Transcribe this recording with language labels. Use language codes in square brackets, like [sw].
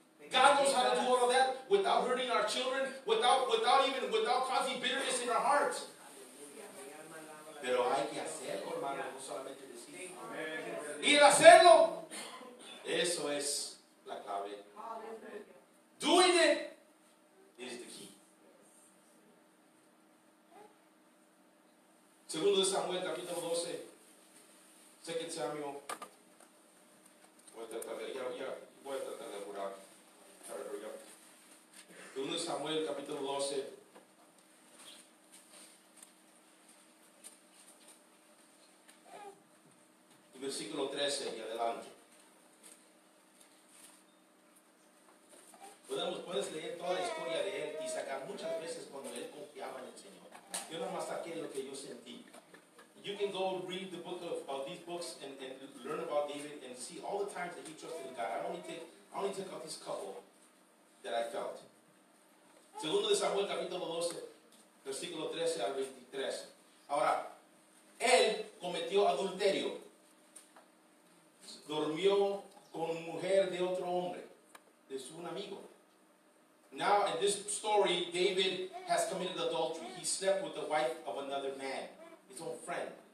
[en] God knows how to do all of that without hurting our children, without causing bitterness in our hearts. [es] Pero hay que hacerlo, hermano, no solamente decirlo. Y el hacerlo, eso es la clave. [en] Doing it is the key. [es] Segundo de Samuel, capítulo 12. Second Samuel. Voy a tratar de apurar. Segundo de Samuel, capítulo 12. Versículo 13 y adelante. Puedes leer toda la historia de él y sacar muchas veces cuando él confiaba en el Señor. Yo nada más saqué lo que yo sentí. [en] You can go read the book of these books and learn about David and see all the times that he trusted God. I only took out this couple that I felt. [es] Segundo de Samuel, capítulo 12, versículo 13 al 23. Ahora, él cometió adulterio. Dormió con mujer de otro hombre, de su amigo. [en] Now, in this story, David has committed adultery. He slept with the wife of another man, his own friend.